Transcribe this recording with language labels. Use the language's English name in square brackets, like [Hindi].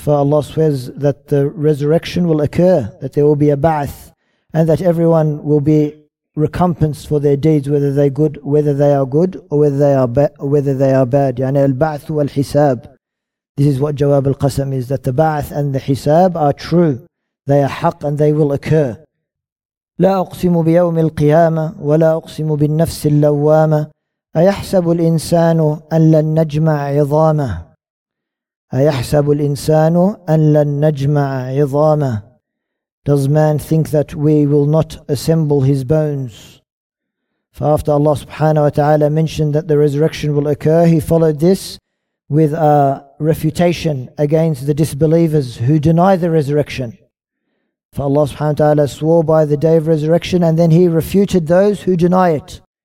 [English] For Allah swears that the resurrection will occur, that there will be a ba'ath, and that everyone will be recompensed for their deeds, whether they are good or whether they are bad. [Arabic] يعني البعث والحساب. [English] This is what jawab al-qasam is, that the ba'ath and the hisab are true. They are haq and they will occur. [Arabic] لا أقسم بيوم القيامة ولا أقسم بالنفس اللوامة أيحسب الإنسان أن لن نجمع عظامه أيحسب الإنسان أن لن نجمع عظامه. [English] Does man think that we will not assemble his bones? For after Allah subhanahu wa ta'ala mentioned that the resurrection will occur, He followed this with a refutation against the disbelievers who deny the resurrection. For Allah subhanahu wa ta'ala swore by the Day of Resurrection, and then He refuted those who deny it.